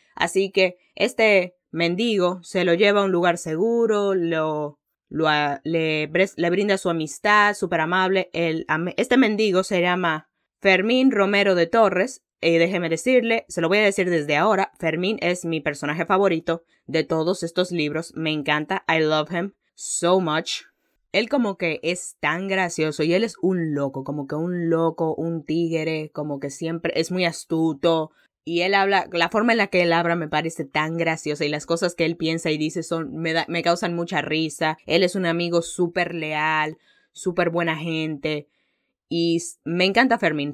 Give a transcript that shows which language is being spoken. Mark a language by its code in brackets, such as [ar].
[es] Así que este mendigo se lo lleva a un lugar seguro, le brinda su amistad, súper amable. Este mendigo se llama Fermín Romero de Torres. Y déjeme decirle, se lo voy a decir desde ahora, Fermín es mi personaje favorito de todos estos libros. Me encanta, [en] I love him so much. [es] Él como que es tan gracioso y él es un loco, como que un loco, un tigre, como que siempre es muy astuto. Y él habla, la forma en la que él habla me parece tan graciosa y las cosas que él piensa y dice me causan mucha risa. Él es un amigo súper leal, súper buena gente y me encanta Fermín.